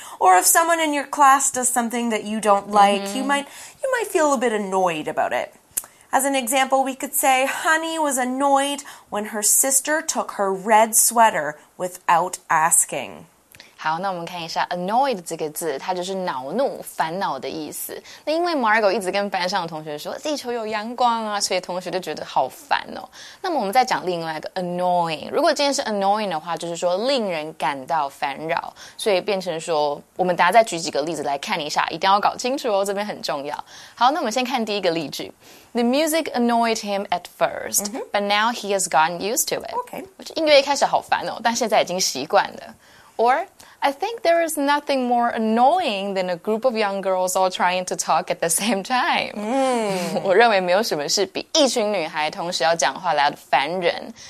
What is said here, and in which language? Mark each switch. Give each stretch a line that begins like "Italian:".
English: Or if someone in your class does something that you don't like,、mm-hmm. you might feel a bit annoyed about it. As an example, we could say, Honey was annoyed when her sister took her red sweater without asking.
Chinese: 好，那我们看一下 annoyed 这个字，它就是恼怒、烦恼的意思。那因为 Margo 一直跟班上的同学说地球有阳光啊，所以同学就觉得好烦哦。那么我们再讲另外一个 annoying， 如果今天是 annoying 的话，就是说令人感到烦扰，所以变成说，我们大家再举几个例子来看一下，一定要搞清楚哦，这边很重要。好，那我们先看第一个例句。
English: The music annoyed him at first,、mm-hmm. but now he has gotten used to it. Okay.
Chinese: 音乐一开始好烦哦，但现在已经习惯了。
English: Or, I think there is nothing more annoying than a group of young girls all trying to talk at the same time.、Mm.
Chinese: 我认为没有什么是比一群女孩同时要讲话来的烦人。